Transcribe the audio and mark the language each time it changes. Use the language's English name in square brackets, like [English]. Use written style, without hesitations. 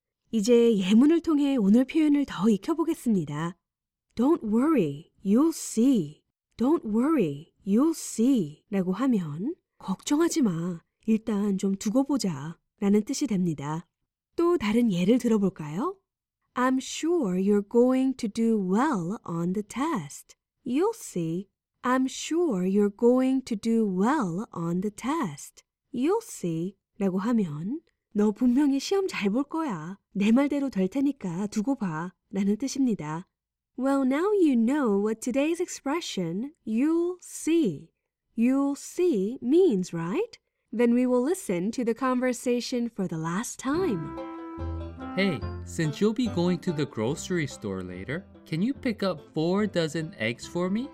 [Korean] 이제 예문을 통해 오늘 표현을 더 익혀보겠습니다. [English] Don't worry, you'll see. Don't worry, you'll see. [Korean] 라고 하면 걱정하지 마, 일단 좀 두고 보자 라는 뜻이 됩니다. 또 다른 예를 들어볼까요? [English] I'm sure you're going to do well on the test. You'll see. I'm sure you're going to do well on the test. You'll see. [Korean] 라고 하면 너 분명히 시험 잘 볼 거야. 내 말대로 될 테니까 두고 봐 라는 뜻입니다. [English] Well, now you know what today's expression you'll see. You'll see means, right? Then we will listen to the conversation for the last time. Hey, since you'll be going to the grocery store later, can you pick up 4 dozen eggs for me?